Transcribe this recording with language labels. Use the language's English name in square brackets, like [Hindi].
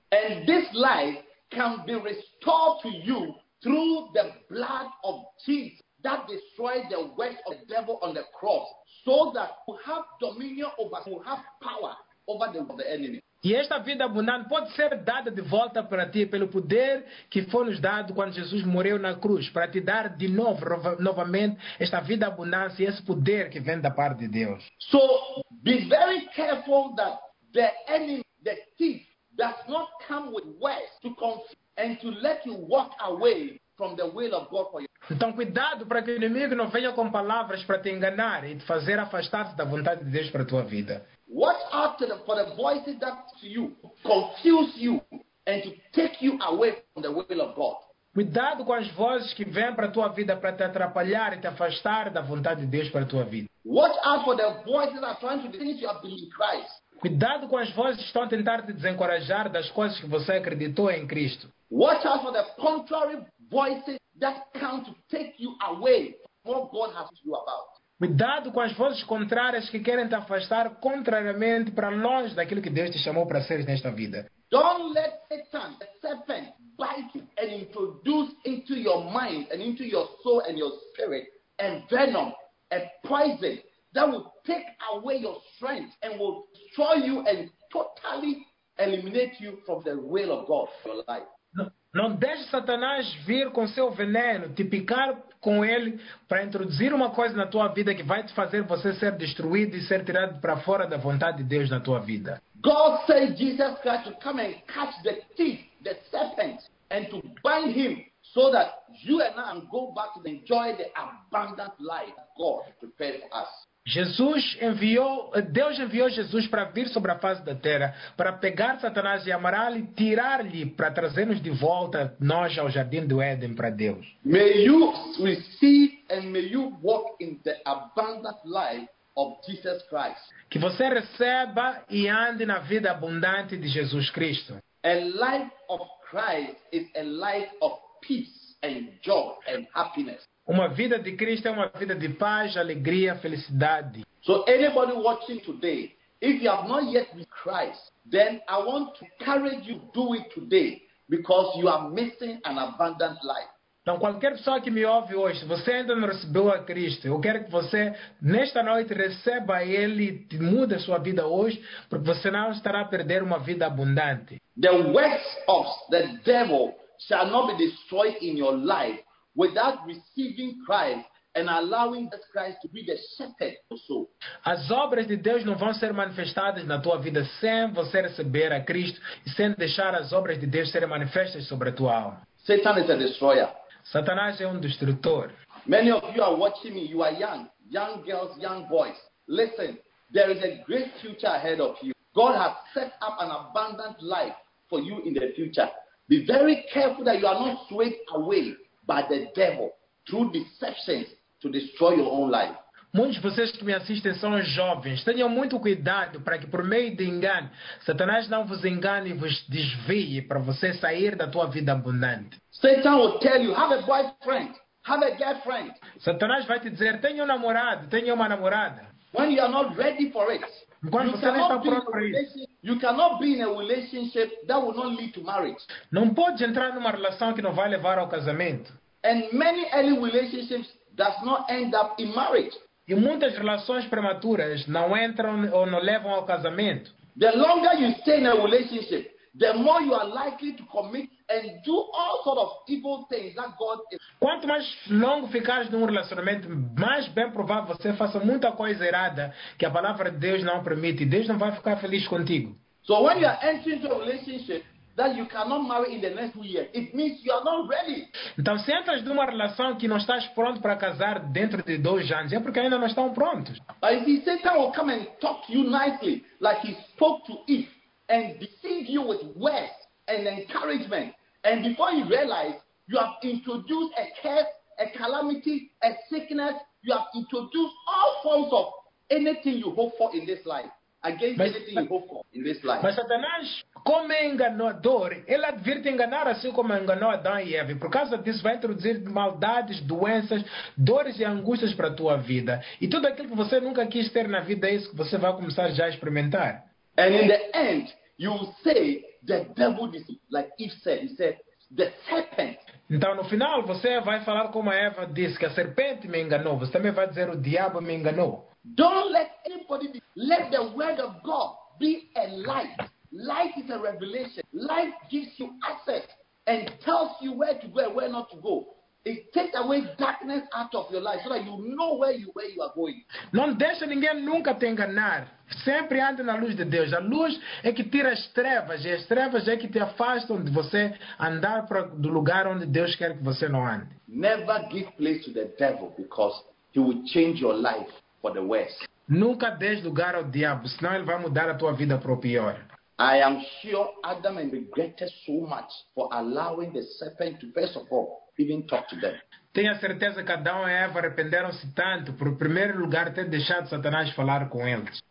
[English] And this life can be restored to you through the blood of Jesus that destroyed the works of the devil on the cross, so that you have dominion over, you have power over the enemy. [Portuguese] E esta vida abundante pode ser dada de volta para ti pelo poder que foi nos dado quando Jesus morreu na cruz, para te dar de novo, novamente, esta vida abundante e esse poder que vem da parte de Deus. [English] So, be very careful that the enemy, the thief, does not come with words to confuse and to let you walk away from the will of God for you. [Portuguese] Então, cuidado para que o inimigo não venha com palavras para te enganar e te fazer afastar-se da vontade de Deus para a tua vida. [English] Watch out for the voices that to you confuse you and to take you away from the will of God. [Portuguese] Cuidado com as vozes que vêm para a tua vida para te atrapalhar e te afastar da vontade de Deus para a tua vida. [English] Watch out for the voices that are trying to diminish your belief in Christ. [Portuguese] Cuidado com as vozes que estão a tentar te desencorajar das coisas que você acreditou em Cristo. [English] Watch out for the contrary voices that come to take you away from what God has to do about. [Portuguese] Cuidado com as vozes contrárias que querem te afastar contrariamente para longe daquilo que Deus te chamou para seres nesta vida. [English] Don't let Satan, the serpent, bite and introduce into your mind and into your soul and your spirit a venom, a poison that will take away your strength and will destroy you and totally eliminate you from the will of God for your life. [Portuguese] Não deixe Satanás vir com seu veneno, te picar com ele para introduzir uma coisa na tua vida que vai te fazer você ser destruído e ser tirado para fora da vontade de Deus na tua vida. [English] God sent Jesus Christ to come and catch the thief, the serpent, and to bind him so that you and I can go back to enjoy the abundant life God prepared for us. [Portuguese] Deus enviou Jesus para vir sobre a face da terra, para pegar Satanás e amarrá-lo e tirar-lhe, para trazer-nos de volta nós ao Jardim do Éden para Deus. [English] May you receive and may you walk in the abundant life of Jesus Christ. [Portuguese] Que você receba e ande na vida abundante de Jesus Cristo. [English] A life of Christ is a life of peace and joy and happiness. [Portuguese] Uma vida de Cristo é uma vida de paz, alegria, felicidade. [English] So anybody watching today, if you have not yet been Christ, then I want to encourage you to do it today because you are missing an abundant life. [Portuguese] Então qualquer pessoa que me ouve hoje, você ainda não recebeu a Cristo, eu quero que você nesta noite receba ele e mude a sua vida hoje, porque você não estará a perder uma vida abundante. [English] The works of the devil shall not be destroyed in your life without receiving Christ and allowing Jesus Christ to be the shepherd also. [Portuguese] As obras de Deus não vão ser manifestadas na tua vida sem você receber a Cristo e sem deixar as obras de Deus serem manifestas sobre a tua alma. [English] Satan is a destroyer. [Portuguese] Satanás é destrutor. [English] Many of you are watching me. You are young. Young girls, young boys. Listen, there is a great future ahead of you. God has set up an abundant life for you in the future. Be very careful that you are not swayed away by the devil through deceptions to destroy your own life. [Portuguese] Muitos de vocês que me assistem são jovens. Tenham muito cuidado para que por meio de engano, Satanás não vos engane e vos desvie para você sair da tua vida abundante. [English] Satan will tell you, have a boyfriend, have a girlfriend. [Portuguese] Satanás vai te dizer, tenha namorado, tenha uma namorada. [English] When you are not ready for it, [Portuguese] quando você não está pronto para isso, [English] you cannot be in a relationship that will not lead to marriage. [Portuguese] Não pode entrar numa relação que não vai levar ao casamento. [English] And many early relationships does not end up in marriage. [Portuguese] E muitas relações prematuras não entram ou não levam ao casamento. [English] The longer you stay in a relationship, the more you are likely to commit and do all sort of evil things that God is. [Portuguese] Quanto mais longo ficares num relacionamento, mais bem provável você faça muita coisa errada que a palavra de Deus não permite. Deus não vai ficar feliz contigo. [English] So when you are entering into a relationship, that you cannot marry in the next 2 years, it means you are not ready. [Portuguese] Então, se entras numa relação que não estás pronto para casar dentro de 2 anos, é porque ainda não estão prontos. [English] But if Satan will come and talk to you nicely, like he spoke to Eve, and deceive you with words and encouragement, and before you realize, you have introduced a curse, a calamity, a sickness, you have introduced all forms of anything you hope for in this life. [Portuguese] Mas Satanás, como é enganador, ele advirte enganar assim como enganou Adão e Eva. Por causa disso, vai introduzir maldades, doenças, dores e angústias para a tua vida. E tudo aquilo que você nunca quis ter na vida é isso que você vai começar já a experimentar. [English] And in the end, you will say the devil deceived, like Eve said. He said the serpent. [Portuguese] Então, no final, você vai falar como a Eva disse, que a serpente me enganou. Você também vai dizer o diabo me enganou. [English] Don't let anybody be. Let the word of God be a light. Light is a revelation. Light gives you access and tells you where to go and where not to go. It takes away darkness out of your life so that you know where you are going. [Portuguese] Não deixa ninguém nunca te enganar. Sempre ande na luz de Deus. A luz é que tira as trevas. E as trevas é que te afastam de você andar para do lugar onde Deus quer que você não ande. [English] Never give place to the devil because he will change your life for the worst. [Portuguese] Nunca dês lugar ao diabo, senão ele vai mudar a tua vida para o pior. [English] I am sure Adam regretted so much for allowing the serpent to, first of all, even talk to them. [Portuguese] Tenho a certeza que Adão e Eva arrependeram-se tanto por, em primeiro lugar, ter deixado Satanás falar com eles.